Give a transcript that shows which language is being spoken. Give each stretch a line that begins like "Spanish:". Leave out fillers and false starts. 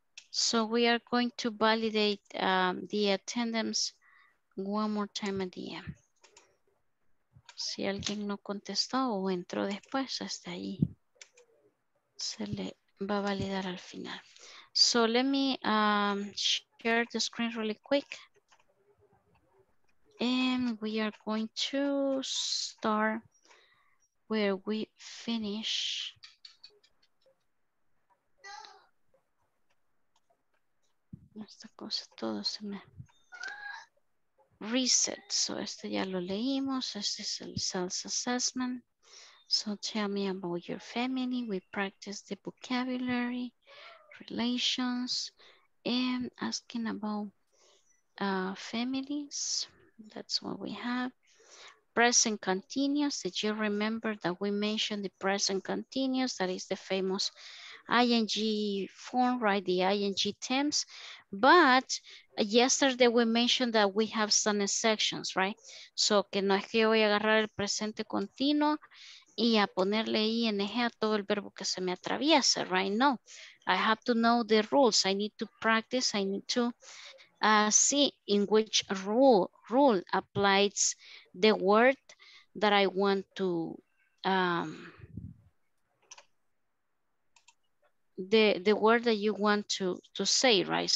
English: So we are going to validate the attendance one more time at the end.
Spanish: Si alguien no contestó o entró después, hasta ahí se le va a validar al final.
English: So let me share the screen really quick. And we are going to start where we finish.
Spanish: Esta cosa todo se me reset. So este ya lo leímos. Este es el self-assessment.
English: So tell me about your family. We practice the vocabulary, relations, and asking about families. That's what we have. Present continuous. Did you remember that we mentioned the present continuous? That is the famous ing form, right? The ing tense. But yesterday we mentioned that we have some exceptions, right?
Spanish: So que no es que voy a agarrar el presente continuo y a ponerle ing a todo el verbo que se me atraviesa, right?
English: No, I have to know the rules. I need to practice. I need to see in which rule applies the word that I want to the word that you want to say, right?